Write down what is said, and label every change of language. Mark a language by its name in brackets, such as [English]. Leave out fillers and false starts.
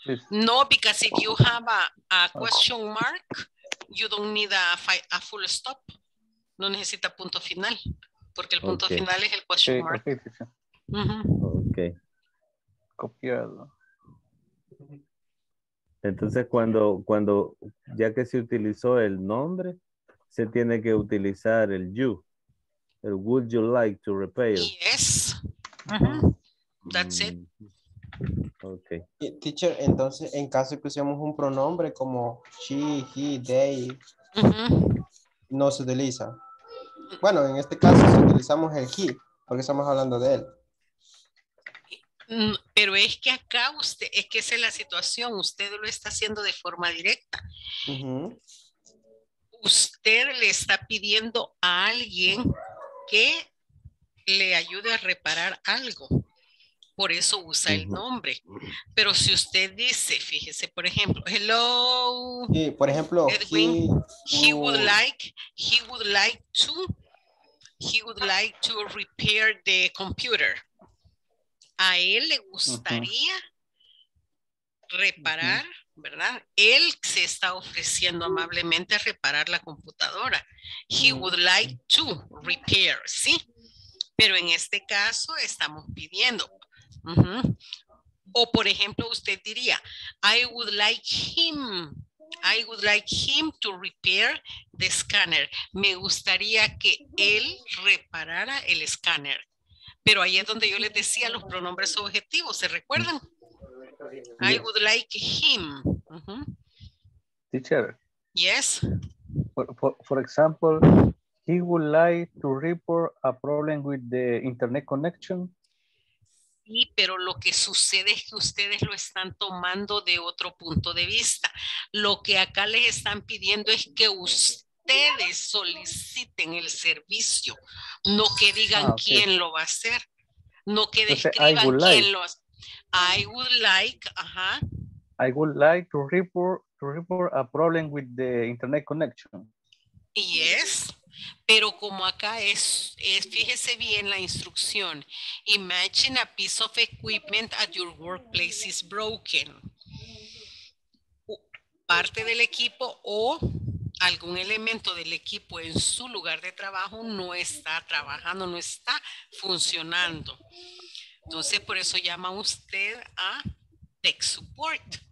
[English] No, because if you have a question mark, you don't need a full stop. [Spanish] No necesita punto final, porque el punto okay. final es el question okay. mark. Okay. Copiado. Entonces, cuando ya que se utilizó el nombre, se tiene que utilizar el you. [English] El would you like to repair? Yes. Uh-huh. That's it. Okay. [Spanish] Teacher, entonces en caso que usemos un pronombre como she, he, they, no se utiliza. Bueno, en este caso si utilizamos el he, porque estamos hablando de él. Pero es que acá usted, es que esa es la situación, usted lo está haciendo de forma directa. Usted le está pidiendo a alguien que le ayude a reparar algo. Por eso usa el nombre. Pero si usted dice, fíjese, por ejemplo, hello. Sí, por ejemplo, [English] Edwin, he would like to repair the computer. [Spanish] A él le gustaría reparar, ¿verdad? Él se está ofreciendo amablemente a reparar la computadora. [English] He would like to repair, [Spanish] ¿sí? Pero en este caso estamos pidiendo. O por ejemplo usted diría [English] I would like him to repair the scanner. [Spanish] Me gustaría que él reparara el scanner. Pero ahí es donde yo les decía los pronombres objetivos, ¿se recuerdan? [English] Yes. I would like him. Teacher. Yes. For example, he would like to report a problem with the internet connection. [Spanish] Sí, pero lo que sucede es que ustedes lo están tomando de otro punto de vista. Lo que acá les están pidiendo es que ustedes soliciten el servicio, no que digan quién lo va a hacer, no que describan quién lo hace. [English] I would like to report a problem with the internet connection. Yes. [Spanish] Pero como acá es, fíjese bien la instrucción. [English] Imagine a piece of equipment at your workplace is broken. [Spanish] Parte del equipo o algún elemento del equipo en su lugar de trabajo no está trabajando, no está funcionando. Entonces, por eso llama usted a tech support.